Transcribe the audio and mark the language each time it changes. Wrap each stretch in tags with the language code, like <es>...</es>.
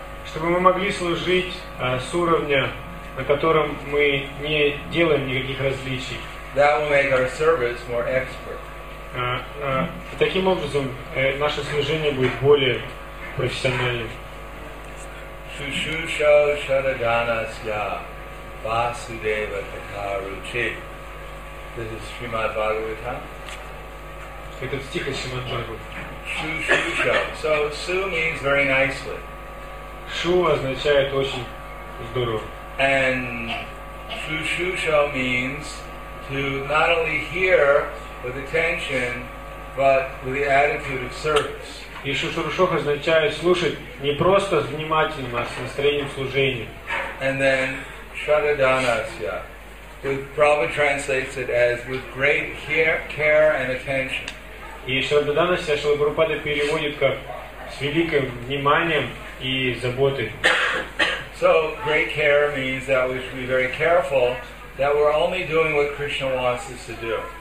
<ru>Чтобы мы могли служить с уровня, на котором мы не делаем никаких различий.</ru> <en>That will make our service more expert.</en> <ru>Таким образом наше служение будет более профессиональным.</ru> <sa>Шушуша шараганасья васудева такаручи.</sa> <en>This is Srimad Bhagavatam.</en> <ru>Этот стих из Srimad Bhagavatam.</ru> <en>Шушуша. So su means very nicely.</en> <ru>Шу означает очень здорово.</ru> <en>And шушуша means to not only hear with attention, but with the attitude of service.</en> <ru>И шушурушоха означает слушать не просто внимательно, а с настроением служения.</ru> <en>And then шараданасья, which Prabhupada translates it as with great care and attention.</en> <ru>И шараданасья Шрила Прабхупада переводит как с великим вниманием и заботой.</ru> <en>So great care means that we should be very careful that we're only doing what Krishna wants us to do.</en>